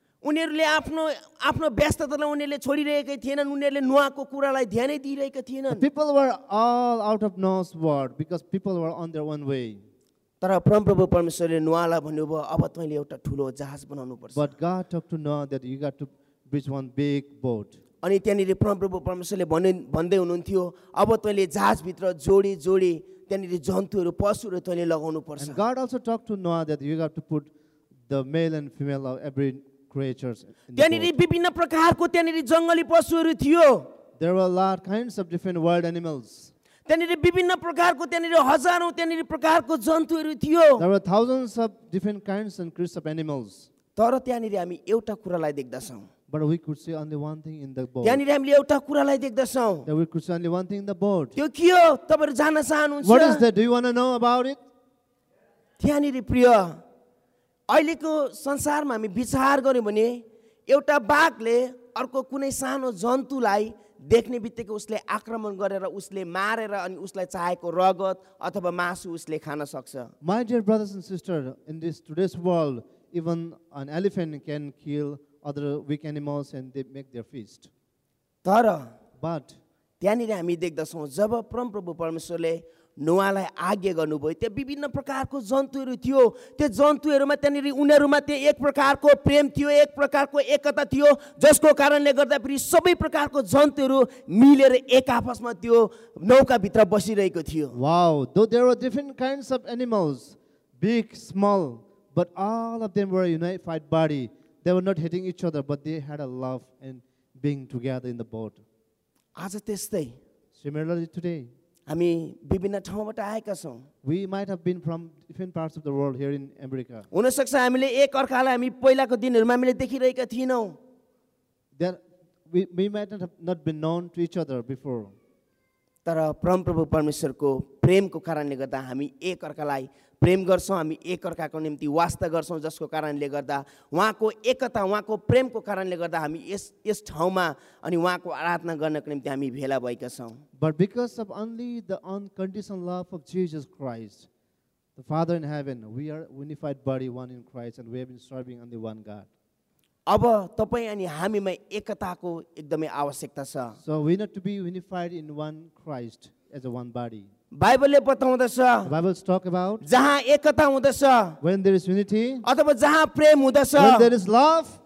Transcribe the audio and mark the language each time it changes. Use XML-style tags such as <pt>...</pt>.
<en>The people were all out of Noah's word because people were on their own way. But God talked to Noah that you got to bridge one big boat.</en> <ne>अनि त्यहाँनिर परमप्रभु परमेश्वरले भन्दै हुनुहुन्थ्यो अब तैँले जहाजभित्र जोडी जोडी त्यहाँनिर जन्तुहरू पशुहरू तैँले लगाउनु पर्छ.</ne> <en>And God also talked to Noah that you got to put the male and female of every creatures.</en> <ne>त्यहाँनिर विभिन्न प्रकारको त्यहाँनिर जङ्गली पशुहरू थियो.</ne> <en>There were a lot kinds of different wild animals.</en> <ne>त्यहाँनिर विभिन्न प्रकारको त्यहाँनिर हजारौँ त्यहाँनिर प्रकारको जन्तुहरू थियो.</ne> <en>There were thousands of different kinds and creatures of animals.</en> <ne>तर त्यहाँनिर हामी एउटा कुरालाई देख्दछौँ.</ne> <en>But we could see only one thing in the boat.</en> <ne>त्यहाँनिर हामीले एउटा कुरालाई देख्दछौँ.</ne> <en>That we could see only one thing in the boat.</en> <ne>त्यो के हो? तपाईँहरू जान्न चाहनुहुन्छ?</ne> <en>What is that? Do you want to know about it?</en> <ne>त्यहाँनिर प्रिय अहिलेको संसारमा हामी विचार गर्यौँ भने एउटा बाघले अर्को कुनै सानो जन्तुलाई देख्ने बित्तिकै उसले आक्रमण गरेर उसले मारेर अनि उसलाई चाहेको रगत अथवा मासु उसले खान सक्छ.</ne> <en>My dear brothers and sisters, in this today's world, even an elephant can kill other weak animals and they make their feast.</en> <ne>तर</ne> <en>but</en> <ne>त्यहाँनिर हामी देख्दछौँ जब परमप्रभु परमेश्वरले नोआलाई आज्ञा गर्नुभयो त्यहाँ विभिन्न प्रकारको जन्तुहरू थियो. त्यो जन्तुहरूमा त्यहाँनिर उनीहरूमा त्यहाँ एक प्रकारको प्रेम थियो, एक प्रकारको एकता थियो, जसको कारणले गर्दा फेरि सबै प्रकारको जन्तुहरू मिलेर एक आपसमा त्यो नौकाभित्र बसिरहेको थियो.</ne> <en>Wow, though there were different kinds of animals, big, small, but all of them were a unified body. They were not hating each other, but they had a love and being together in the boat.</en> <ne>आज त्यस्तै</ne> <en>similarly today</en> <ne>हामी विभिन्न ठाउँबाट आएका छौँ.</ne> <en>We might have been from different parts of the world here in America.</en> <ne>हुनसक्छ हामीले एकअर्कालाई हामी पहिलाको दिनहरूमा हामीले देखिरहेका थिएनौँ.</ne> <en>We might not have not been known to each other before.</en> <ne>तर परमप्रभु परमेश्वरको प्रेमको कारणले गर्दा हामी एकअर्कालाई प्रेम गर्छौँ, हामी एकअर्काको निम्ति वास्ता गर्छौँ, जसको कारणले गर्दा उहाँको एकता उहाँको प्रेमको कारणले गर्दा हामी यस ठाउँमा अनि उहाँको आराधना गर्नको निम्ति हामी भेला भएका छौँ.</ne> <en>But because of only the unconditional love of Jesus Christ, the Father in heaven, we are unified body, one in Christ, and we have been serving only one God.</en> <ne>अब तपाईँ अनि हामीमा एकताको एकदमै आवश्यकता छ.</ne> <en>So we need to be unified in one Christ as a one body.</en> <ne>बाइबलले बताउँदछ</ne> <en>Bible's talk about</en> <ne>जहाँ एकता हुँदछ</ne> <en>when there is unity</en> <ne>अथवा जहाँ प्रेम हुँदछ</ne> <en>when there is love</en>